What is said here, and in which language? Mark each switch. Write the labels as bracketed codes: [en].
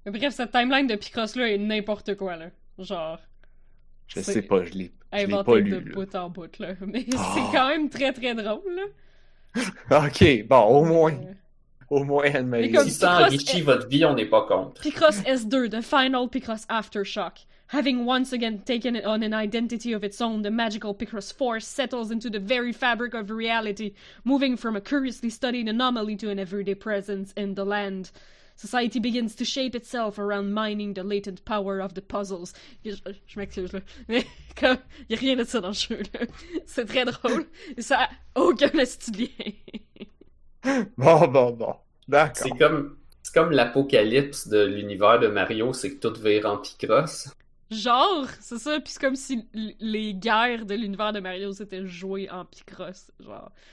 [fr] Cette timeline de Picross-là est n'importe quoi, là. Genre. Je sais pas, je l'ai pas lu. Inventé de là. Bout en bout, là. Mais oh. C'est quand même très, très drôle, là. Ok, bon, au moins. Au moins, elle si ça enrichit votre vie, on n'est pas contre. [en] Picross S2, the final Picross Aftershock. Having once again taken on an identity of its own, the magical Picross 4 settles into the very fabric of reality, moving from a curiously studied anomaly to an everyday presence in the land. Society begins to shape itself around mining the latent power of the puzzles. [fr] Je m'excuse, là. Mais comme, y a rien de ça dans le jeu, là. C'est très drôle. Et ça a aucun estudiant. Bon. D'accord. C'est comme l'apocalypse de l'univers de Mario, c'est que tout vire en Picross. Genre, c'est ça, puis c'est comme si les guerres de l'univers de Mario s'étaient jouées en Picross, genre.